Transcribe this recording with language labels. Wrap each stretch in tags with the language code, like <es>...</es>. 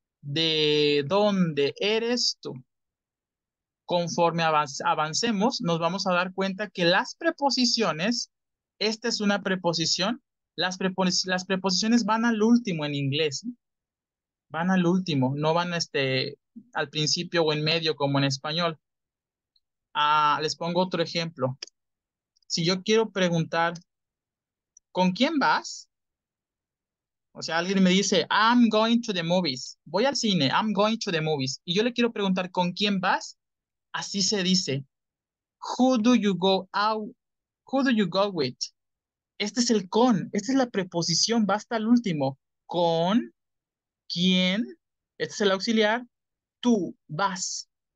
<es>¿De dónde eres tú? Conforme avancemos, nos vamos a dar cuenta que las preposiciones, esta es una preposición, las preposiciones van al último en inglés, ¿sí? Van al último, no van al principio o en medio como en español. Les pongo otro ejemplo. Si yo quiero preguntar, ¿con quién vas? O sea, alguien me dice,</es> <en>I'm going to the movies.</en> <es>Voy al cine,</es> <en>I'm going to the movies.</en> <es>Y yo le quiero preguntar, ¿con quién vas? Así se dice,</es> <en>who do you go out? Who do you go with?</en> <es>Este es el con, esta es la preposición, va hasta el último. Con, ¿quién? Este es el auxiliar, tú, vas.</es>